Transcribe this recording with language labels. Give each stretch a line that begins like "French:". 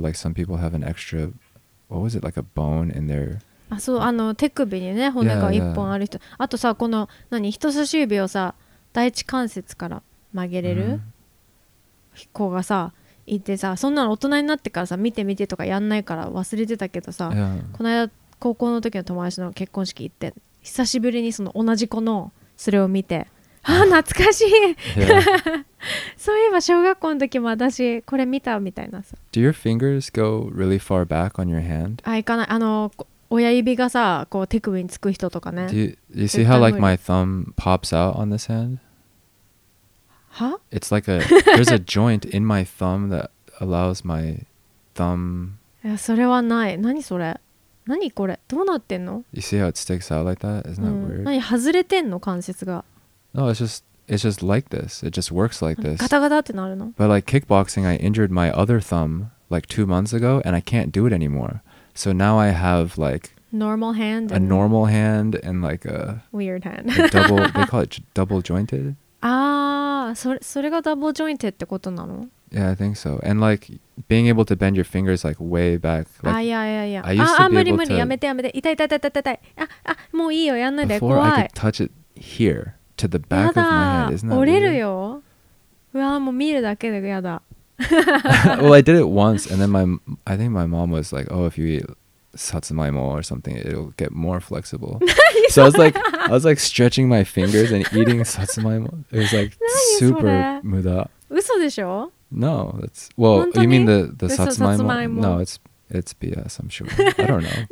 English: Like some people have an extra, what was it? Like a bone in their
Japanese: あ、そう、あの手首にね、骨が一本ある人、yeah, yeah. あとさ、この何、人差し指をさ、第一関節から曲げれる、mm-hmm. 子がさ、いてさ、そんなの大人になってからさ、見て見てとかやんないから忘れてたけどさ、
English: yeah.
Japanese: この間、高校の時の友達の結婚式行って、久しぶりにその同じ子のそれを見て、あ、懐かしい、yeah. そういえば小学校の時も私これ見たみたいなさ。
English: Do your fingers go really far back on your hand?
Japanese: あ、いかない、あの親指がさ、こう手首につく人とかね。
English: Do you see how like my thumb pops out on this hand?
Japanese: は？
English: It's like a there's a joint in my thumb that allows my thumb.
Japanese: いや、それはない。何それ？何これ？どうなってんの？
English: You see how it sticks out like that? Isn't that weird?
Japanese: 何外れてんの関節が
English: ？No, it's just like this. It just works like this.
Japanese: ガタガタってなるの？
English: But like kickboxing, I injured my other thumb like 2 months ago, and I can't do it anymore. So now I have like normal hand, a normal hand and like a weird hand. Like double, they call it double jointed.
Japanese: Ah, それが double jointed ってことなの?
English: Yeah, I think so. And like being able to bend your fingers like way back. Like, ah, yeah, yeah, yeah. I used to be able to.
Japanese: 無理やめてやめて。痛い痛い痛い痛い痛い。もういいよ。やんないで。怖い。
English: Before I could touch it here to the back of my head, isn't that weird?
Japanese: 折れるよ。うわ、もう見るだけでやだ。
English: Well, I did it once, and then I think my mom was like, "Oh, if you eat satsumaimo or something, it'll get more flexible." So I was like stretching my fingers and eating satsumaimo. It was like super 無駄.
Japanese: 嘘でしょ?
English: No, that's well. You mean the satsumaimo? No, it's BS. I'm sure. I don't know.